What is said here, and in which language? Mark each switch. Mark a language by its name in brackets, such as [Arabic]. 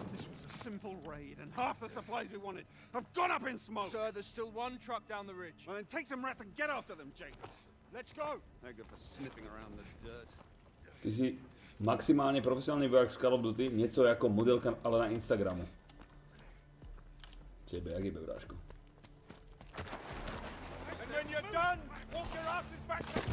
[English] This was a simple raid, and half the supplies we wanted have gone up in smoke. Sir, there's still one truck down the ridge. Well, then take some rest and get after them, Jacobs. Let's go. They're good for sniffing around the dirt. [Czech] Ty jsi maximálně profesionální voják z Call of Duty, něco jako modelka, ale na Instagramu. Tebe, jak jebe, vrášku. [English] And when you're done, walk your asses back to camp.